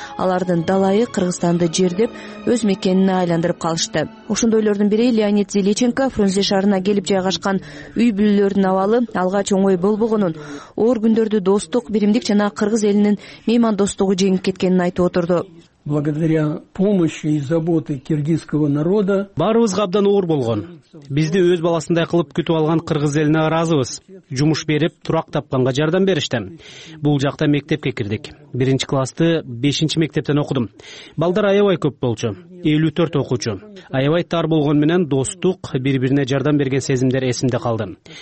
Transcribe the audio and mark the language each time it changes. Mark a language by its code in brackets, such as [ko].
[ky] Алардын далайы Кыргызстанды жердеп өз мекенине айландырып калышты. Ошондойлордун бири Леонид Зеличенко Фрунзе шаарына келип жайгашкан үй бүлөлөрдүн абалы алгач оңой болбогонун, оор күндөрдү достук, биримдик жана кыргыз элинин меймандостугу жеңип кеткенин айтып отурду. [ru] Благодаря помощи и заботе киргизского народа. [ky] Баарыбызга абдан оор болгон. Бизди өз баласындай кылып күтүп алган кыргыз элине ыраазыбыз. Жумуш берип, турак тапканга жардам беришти. Бул жакта мектепке кирдик. 1-чи классты 5-чи мектептен окудум. Балдар аябай көп болчу. 54 окуучу. Аябай тар болгон менен достук, бири-бирине жардам берген сезимдер эсимде калды.